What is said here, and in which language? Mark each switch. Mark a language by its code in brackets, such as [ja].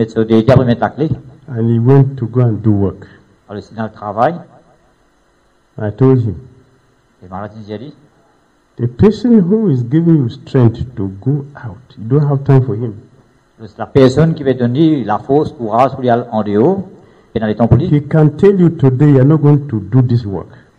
[en] And he went to go and do work. I told him. The person who is giving you strength to go out, you don't have time for him. [fr] La personne qui va donner la force, courage pour aller en dehors. [en] He can tell you today you are not going to do this work.